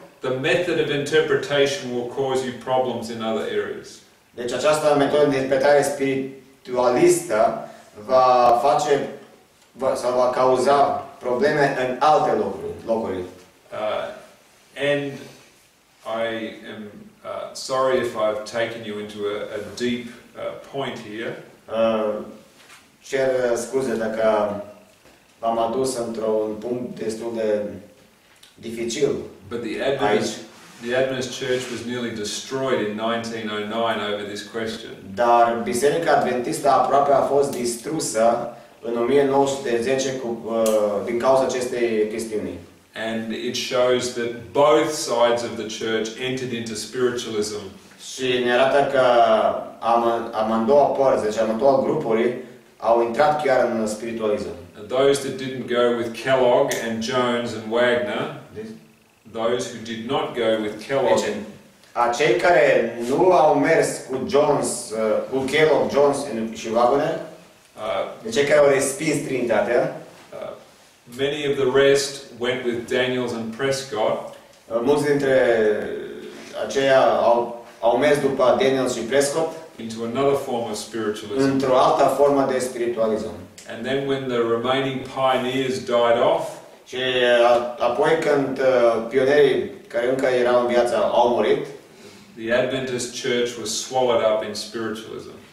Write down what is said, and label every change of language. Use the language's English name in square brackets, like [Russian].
[English] The method of interpretation will cause you problems in other areas. [Romanian] Deci această metodă de interpretare spiritualistă va face sau va cauza probleme în alte locuri. [English] And I am sorry if I've taken you into a deep point here. [Romanian] Cer scuze dacă v-am adus într-un punct destul de dificil. [English] But the Adventist Church was nearly destroyed in 1909 over this question. [Romanian] Dar biserica adventistă aproape a fost distrusă în 1910 din cauza acestei chestiuni. [English] And it shows that both sides of the church entered into spiritualism. [Romanian] Și ne arată că amândouă părți, deci amândouă grupuri, au intrat chiar în spiritualism. [English] And those that didn't go with Kellogg and Jones and Wagner, those who did not go with Kellogg, [Romanian] deci, acei care nu au mers cu Kellogg, Jones și Wagner, cei care au respins Trinitatea, [English] many of the rest went with Daniels and Prescott. [Romanian] Mulți dintre aceia au mers după Daniels și Prescott. [English] Into another form of spiritualism. [Romanian] Într-o altă formă de spiritualism. [English] And then when the remaining pioneers died off. [Romanian] Și apoi când pionerii care încă erau în viață au murit. [English] The Adventist Church was swallowed up in spiritualism.